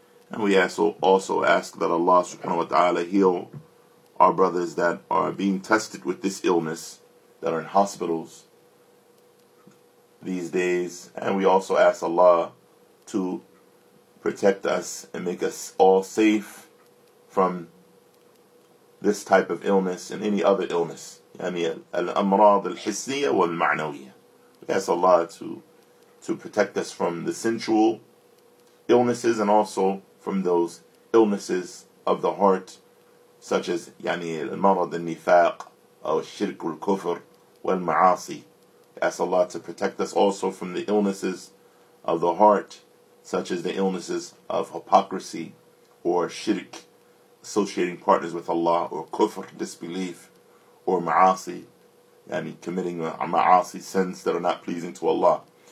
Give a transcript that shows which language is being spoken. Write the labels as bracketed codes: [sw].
[en] And we also ask that Allah subhanahu wa ta'ala heal our brothers that are being tested with this illness, that are in hospitals these days. And we also ask Allah to protect us and make us all safe from this type of illness and any other illness. [ar] يعني الأمراض الحسية والمعنوية. [en] We ask Allah to protect us from the sensual illnesses and also from those illnesses of the heart, such as [ar] يعني المرض النفاق أو الشرك والكفر والمعاصي. [en] Ask Allah to protect us also from the illnesses of the heart, such as the illnesses of hypocrisy or shirk, associating partners with Allah, or kufr, disbelief, or ma'asi, yani committing ma'asi, sins that are not pleasing to Allah.